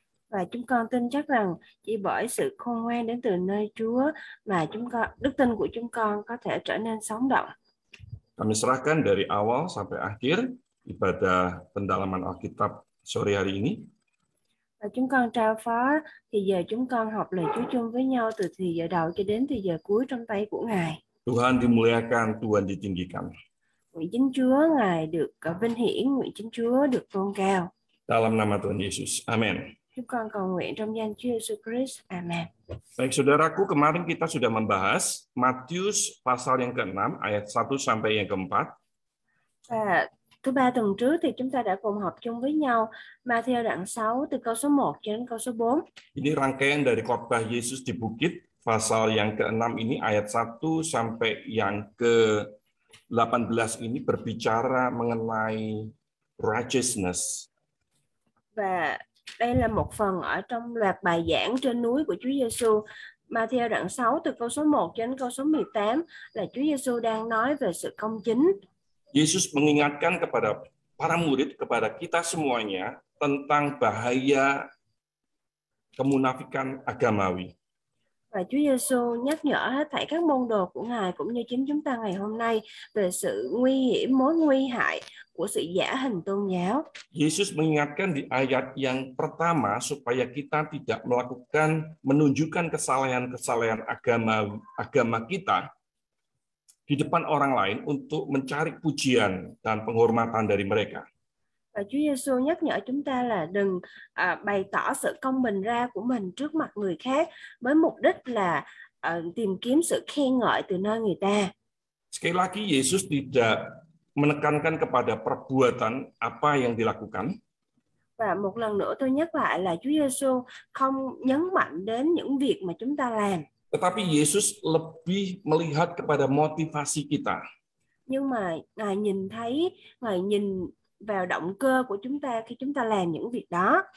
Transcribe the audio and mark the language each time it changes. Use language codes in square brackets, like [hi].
[vi] Và chúng con tin chắc rằng chỉ bởi sự khôn ngoan đến từ nơi Chúa mà chúng con, đức tin của chúng con có thể trở nên sống động. [id] Kami serahkan dari awal sampai akhir ibadah pendalaman Alkitab sore hari ini. [vi] Và chúng con trao phó thì giờ chúng con học lời Chúa chung với nhau từ thì giờ đầu cho đến thì giờ cuối trong tay của Ngài. [id] Tuhan dimuliakan, Tuhan ditinggikan. [vi] Nguyện chính Chúa Ngài được vinh hiển, nguyện chính Chúa được tôn cao. [id] Dalam nama Tuhan Yesus, amin. [vi] Chúng con cầu nguyện trong danh Chúa Jesus Christ, amin. [id] Baik saudaraku, kemarin kita sudah membahas Matius pasal yang ke-6 ayat 1 sampai yang ke-4. [vi] Thứ ba tuần trước thì chúng ta đã cùng học chung với nhau Matthew đoạn 6 từ câu số 1 cho đến câu số 4. [id] Ini rangkaian dari khotbah Yesus di bukit pasal yang ke-6 ini ayat 1 sampai yang ke-18 ini berbicara mengenai righteousness. [vi] Và đây là một phần ở trong loạt bài giảng trên núi của Chúa Giêsu. Matthew đoạn 6 từ câu số 1 đến câu số 18 là Chúa Giêsu đang nói về sự công chính. [id] Yesus mengingatkan kepada para murid, kepada kita semuanya tentang bahaya kemunafikan agamawi. [vi] Và Chúa Giêsu nhắc nhở hết thảy các môn đồ của Ngài cũng như chính chúng ta ngày hôm nay về sự nguy hiểm, mối nguy hại của sự giả hình tôn giáo. [id] Yesus mengingatkan di ayat yang pertama supaya kita tidak melakukan menunjukkan kesalahan-kesalahan agama kita di depan orang lain untuk mencari pujian dan penghormatan dari mereka. [vi] Và Chúa Giêsu nhắc nhở chúng ta là đừng bày tỏ sự công bình ra của mình trước mặt người khác với mục đích là tìm kiếm sự khen ngợi từ nơi người ta. [id] Sekali lagi Yesus tidak menekankan kepada perbuatan apa yang dilakukan. [vi] Và một lần nữa tôi nhắc lại là Chúa Giêsu không nhấn mạnh đến những việc mà chúng ta làm. [id] Tetapi Yesus lebih melihat kepada motivasi kita. [vi] Nhưng mà Ngài nhìn thấy, Ngài nhìn vào động cơ của chúng ta khi chúng ta làm những việc đó.